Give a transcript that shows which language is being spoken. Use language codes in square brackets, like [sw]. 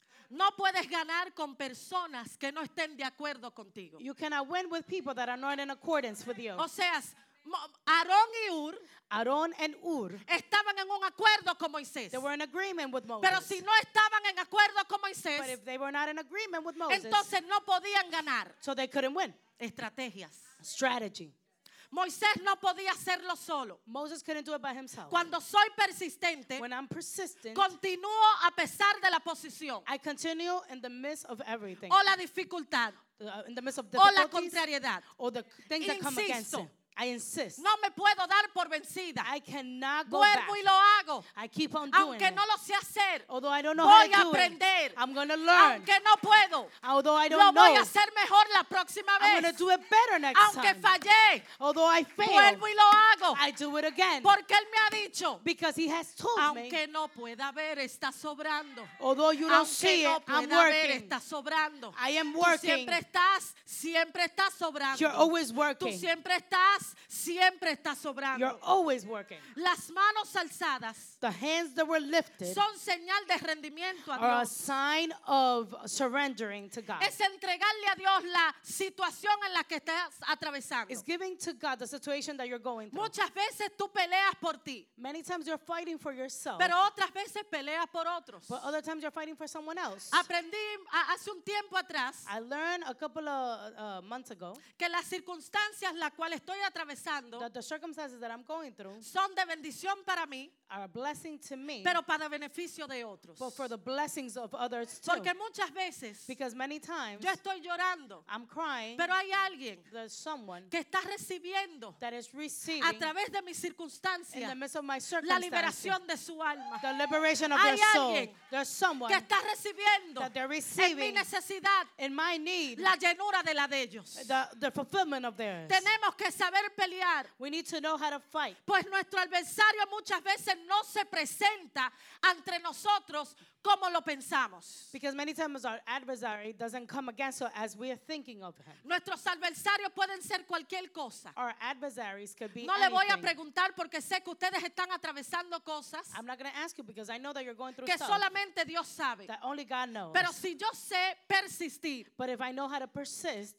[es] No puedes ganar con personas que no estén de acuerdo contigo. [en] You cannot win with people that are not in accordance with you. [es] O sea, Aarón y Ur, [en] Aarón and Ur, [es] estaban en un acuerdo con Moisés. [en] They were in agreement with Moses. [es] Pero si no estaban en acuerdo con Moisés, [en] but if they were not in agreement with Moses, [es] entonces no podían ganar. [en] So they couldn't win. [es] Estrategias. [en] Strategy. [es] Moisés no podía hacerlo solo. [en] Moses couldn't do it by himself. [es] Cuando soy persistente, [en] when I'm persistent, [es] continúo a pesar de la posición. [en] I continue in the midst of everything. [es] O la dificultad. [en] In the midst of difficulties. [es] O la contrariedad. [en] Or the things [es] Insisto. [en] That come against him. I insist. [es] No me puedo dar por vencida. [en] I cannot go [es] Vuelvo [en] back. [es] Y lo hago. [en] I keep on doing [es] Aunque [en] it. [es] Aunque no lo sé hacer. [en] Although I don't know [es] voy [en] how to [es] aprender. [en] Do it. I'm going to learn. [es] Aunque no puedo. [en] Although I don't [es] lo [en] know. [es] Lo voy a hacer mejor la próxima vez. [en] I'm going to do it better next [es] Aunque [en] time. [es] Fallé. [en] Although I fail. [es] Vuelvo y lo hago. [en] I do it again. [es] Porque él me ha dicho. [en] Because he has told [es] Aunque [en] me. [es] Aunque no pueda ver, está sobrando. [en] Although you don't [es] Aunque [en] see [es] no [en] it, [es] pueda [en] I'm working. [es] Ver, está sobrando. [en] I am working. [es] Tú siempre estás sobrando. [en] You're always working. [es] Tú siempre estás siempre está sobrando. [en] You're always working. [es] Las manos alzadas [en] the hands that were lifted [es] son señal de rendimiento a [en] are [es] Dios. [en] A sign of surrendering to God. [es] Es entregarle a Dios la situación en la que estás atravesando. [en] It's giving to God the situation that you're going through. [es] Muchas veces tú peleas por ti. [en] Many times you're fighting for yourself. [es] Pero otras veces peleas por otros. [en] But other times you're fighting for someone else. [es] Aprendí hace un tiempo atrás [en] I learned a couple of months ago [es] que las circunstancias las cuales estoy atravesando [en] that the circumstances that I'm going through [es] son de bendición para mí [en] are a blessing to me [es] pero para beneficio de otros [en] but for the blessings of others too [es] porque muchas veces [en] because many times [es] yo estoy llorando [en] I'm crying [es] pero hay alguien [en] there's someone [es] que está recibiendo [en] that is receiving [es] a través de mis circunstancias [en] in the midst of my circumstances [es] la liberación de su alma [en] the liberation of [es] hay [en] their soul [es] alguien [en] there's someone [es] que está recibiendo [en] that they're receiving [es] en mi necesidad [en] in my need [es] la llenura de la de ellos [en] the fulfillment of theirs [es] tenemos que saber pelear [en] we need to know how to fight [es] pues nuestro adversario muchas veces no se presenta entre nosotros como lo pensamos [en] because many times our adversary doesn't come against us as we are thinking of him [es] nuestros adversarios pueden ser cualquier cosa [en] our adversaries could be [es] no [en] anything. [es] Le voy a preguntar porque sé que ustedes están atravesando cosas [en] I'm not going to ask you because I know that you're going through [es] que [en] stuff [es] solamente Dios sabe [en] that only God knows [es] pero si yo sé persistir [en] but if I know how to persist